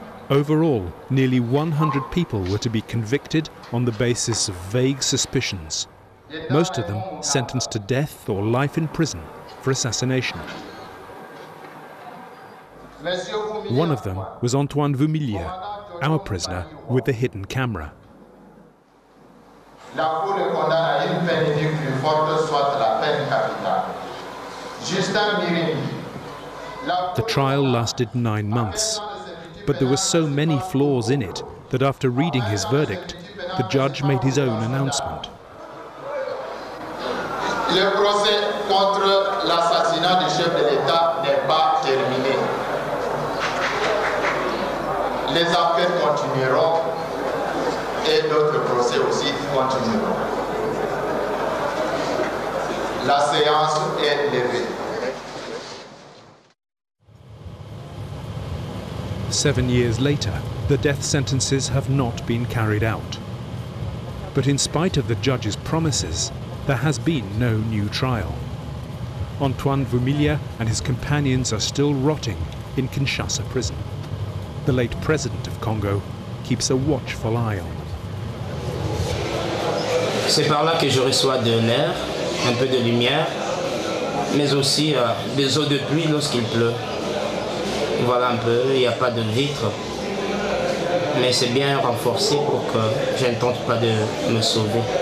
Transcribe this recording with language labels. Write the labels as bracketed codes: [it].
[en] Overall, nearly 100 people were to be convicted on the basis of vague suspicions. Most of them sentenced to death or life in prison for assassination. One of them was Antoine Vumilia, our prisoner with the hidden camera. [fr] La Cour le condamne à une peine inique plus forte soit la peine capitale. Justin Mirini. [en] The trial lasted 9 months, but there were so many flaws in it that after reading his verdict, the judge made his own announcement. [fr] Le procès contre l'assassinat du chef de l'État n'est pas terminé. Les affaires continueront et d'autres procès aussi continueront. La séance est levée. [en] 7 years later, the death sentences have not been carried out. But in spite of the judge's promises, there has been no new trial. Antoine Vumilia and his companions are still rotting in Kinshasa prison. The late president of Congo keeps a watchful eye on. [fr] C'est par là que je reçois de l'air, un peu de lumière, mais aussi des eaux de pluie lorsqu'il pleut. Voilà un peu, il n'y a pas de vitre, mais c'est bien renforcé pour que je ne tente pas de me sauver.